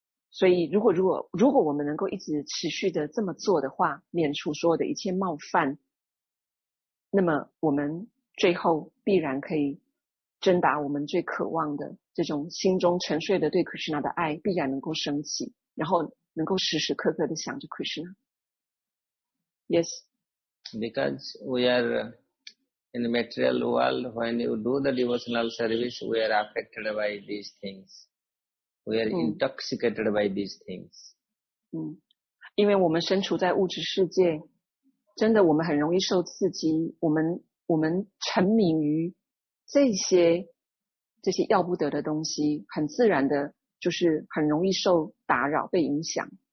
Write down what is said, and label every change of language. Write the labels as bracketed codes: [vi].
[zh] 所以如果我们能够一直持续的这么做的话，免除所有的一切冒犯，那么我们最后必然可以真达我们最渴望的这种心中沉睡的对 Krishna 的爱，必然能够升起，然后能够时时刻刻的想着 Krishna。 [en] Yes. Because we are in the material world, when you do the devotional service, we are affected by these things. We are intoxicated by these things. [zh] 因为我们身处在物质世界，真的我们很容易受刺激，我们沉迷于这些要不得的东西，很自然的就是很容易受打扰，被影响。